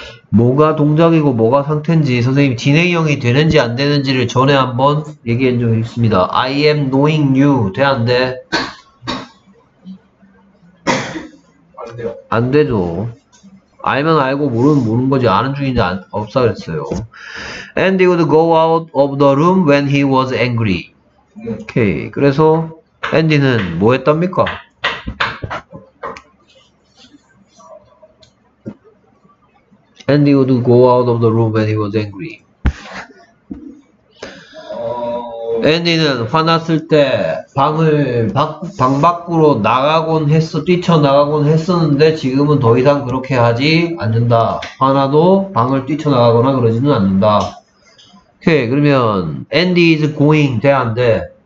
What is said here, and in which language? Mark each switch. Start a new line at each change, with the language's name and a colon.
Korean: 뭐가 동작이고 뭐가 상태인지 선생님 진행형이 되는지 안 되는지를 전에 한번 얘기한 적이 있습니다.
English: I am knowing you
Korean: 돼 안 돼? 안 돼요. 안 되죠. 알면 알고 모르면 모르는 거지 아는 중인지 안, 없어 그랬어요.
English: And he would go out of the room when he was angry.
Korean: 오케이. 그래서 앤디는 뭐 했답니까?
English: 앤디 would go out of the room when he was angry.
Korean: 앤디는 화났을 때 방을 방 밖으로 나가곤 했어 뛰쳐나가곤 했었는데 지금은 더 이상 그렇게 하지 않는다. 화나도 방을 뛰쳐나가거나 그러지는 않는다. 오케이. 그러면 앤디 is going 돼 안 돼?